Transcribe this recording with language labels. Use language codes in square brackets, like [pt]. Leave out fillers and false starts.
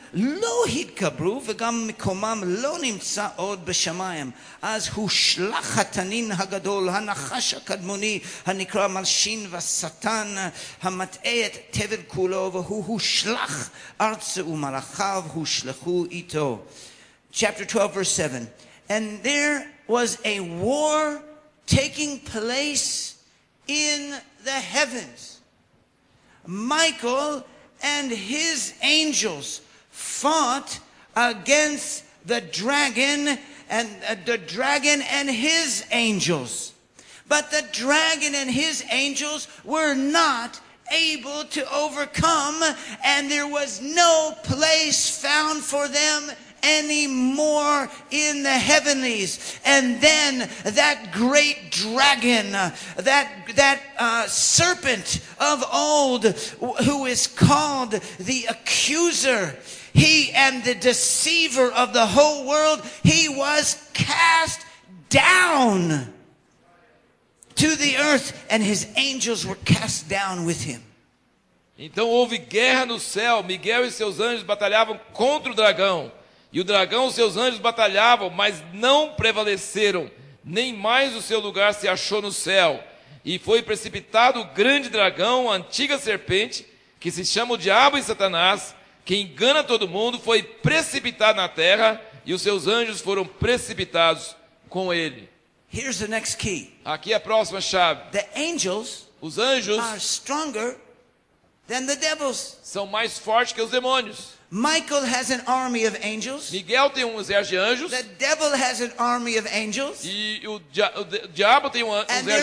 [he] לא התגברו וגם מקומם לא נמצא עוד בשמיים. אז הושלך התנין הגדול, הנחש הקדמוני, הנקרא מלשין והשטן, המטעה את תבל כולו, והוא הושלך ארצה ומלאכיו הושלכו איתו. [en] Chapter 12, verse 7. And there was a war taking place in the heavens. Michael and his angels fought against the dragon and the dragon and his angels. But the dragon and his angels were not able to overcome, and there was no place found for them anymore in the heavenlies. And then that great dragon, that serpent of old, who is called the accuser, he and the deceiver of the whole world, he was cast down to the earth, and his angels were cast down with him. [pt] Então houve guerra no céu. Miguel e seus anjos batalhavam contra o dragão. E o dragão e seus anjos batalhavam, mas não prevaleceram, nem mais o seu lugar se achou no céu. E foi precipitado o grande dragão, a antiga serpente, que se chama o Diabo e Satanás, que engana todo mundo, foi precipitado na terra, e os seus anjos foram precipitados com ele. [en] Here's the next key. [pt] Aqui é a próxima chave. [en] The angels, [pt] os anjos, [en] are stronger than the devils. [pt] São mais fortes que os demônios. [en] Michael has an army of angels. [pt] Miguel tem um exército de anjos. [en] The devil has an army of angels. [pt] E o diabo tem um exército de anjos.